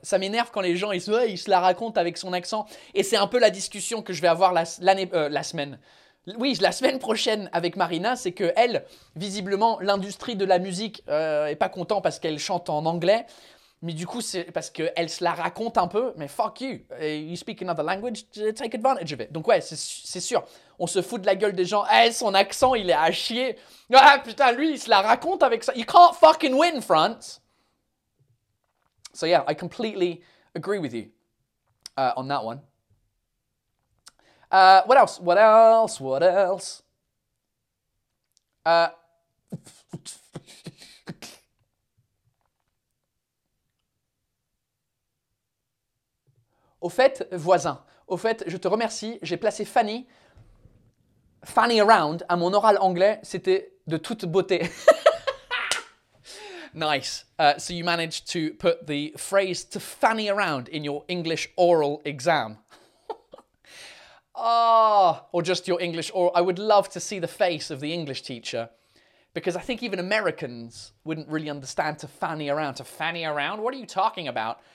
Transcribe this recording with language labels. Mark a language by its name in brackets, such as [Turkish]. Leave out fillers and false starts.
[French] Ça m'énerve quand les gens, ils se la racontent avec son accent. Et c'est un peu la discussion que je vais avoir la semaine prochaine avec Marina, c'est que elle, visiblement, l'industrie de la musique est pas contente parce qu'elle chante en anglais. Mais du coup, c'est parce qu'elle se la raconte un peu. [English] Mais fuck you, you speak another language, take advantage of it. [French] Donc ouais, c'est sûr, on se fout de la gueule des gens. Eh, son accent, il est à chier. Ah putain, lui, il se la raconte avec ça. [English] You can't fucking win, France. So yeah, I completely agree with you on that one. What else? What else? What else? [French] Au fait, voisin, au fait, je te remercie. J'ai placé Fanny around à mon oral anglais. C'était de toute beauté. [English] Nice. So you managed to put the phrase to fanny around in your English oral exam. or just your English oral. I would love to see the face of the English teacher, because I think even Americans wouldn't really understand to fanny around. To fanny around? What are you talking about?